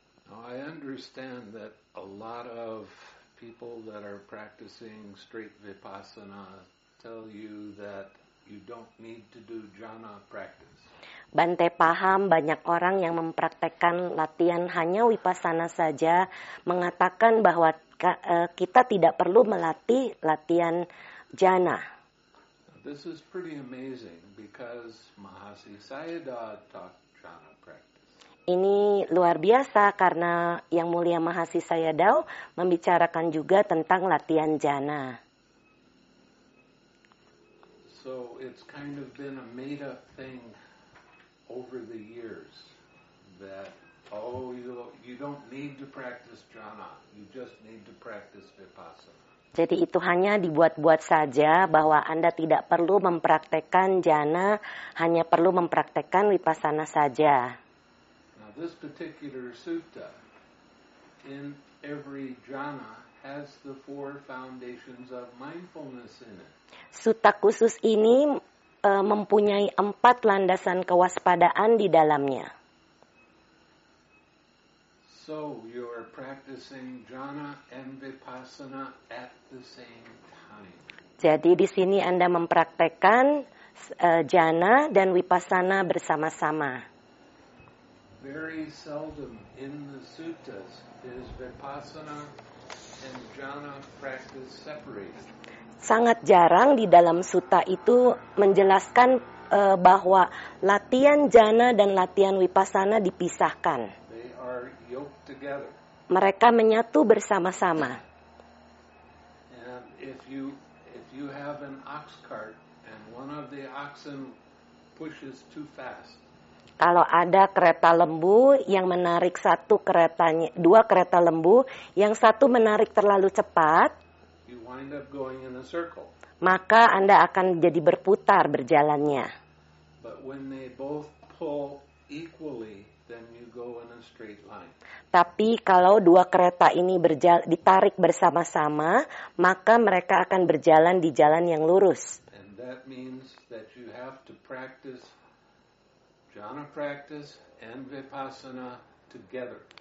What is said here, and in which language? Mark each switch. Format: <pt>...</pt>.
<en>Now, I understand that a lot of people that are practicing straight vipassana tell you that you don't need to do jhana practice.</en> <id>Bante paham banyak orang yang mempraktekkan latihan hanya vipassana saja mengatakan bahwa kita tidak perlu melatih latihan jhana.</id> <en>This is pretty amazing because Mahasi Sayadaw taught jhana practice.</en> <id>Ini luar biasa karena Yang Mulia Mahasi Sayadaw membicarakan juga tentang latihan jhana.</id> <en>So it's kind of been a made up thing over the years that you don't need to practice jhana, you just need to practice vipassana.</en> <id>Jadi itu hanya dibuat-buat saja bahwa Anda tidak perlu mempraktekkan jhana, hanya perlu mempraktekkan vipassana saja.</id> <en>Now this particular sutta in every jhana has the four foundations of mindfulness in it.</en> <id>Sutta khusus ini mempunyai empat landasan kewaspadaan di dalamnya.</id> <en>So you are practicing jhana and vipassana at the same time.</en> <id>Jadi di sini Anda mempraktekkan jhana dan vipassana bersama-sama.</id> <en>Very seldom in the suttas is vipassana and jhana practice separated.</en> <id>Sangat jarang di dalam sutta itu menjelaskan bahwa latihan jhana dan latihan vipassana dipisahkan.</id> <en>They are yoked together.</en> <id>Mereka menyatu bersama-sama.</id> <en>And if you have an ox cart and one of the oxen pushes too fast.</en> <id>Kalau ada kereta lembu yang menarik satu keretanya, dua kereta lembu yang satu menarik terlalu cepat,</id> <en>wind up going in a circle.</en> <id>Maka Anda akan jadi berputar berjalannya.</id> <en>But when they both pull equally, then you go in a straight line.</en> <id>Tapi kalau dua kereta ini ditarik bersama-sama, maka mereka akan berjalan di jalan yang lurus.</id> <en>And that means that you have to practice jhana practice and vipassana together.</en>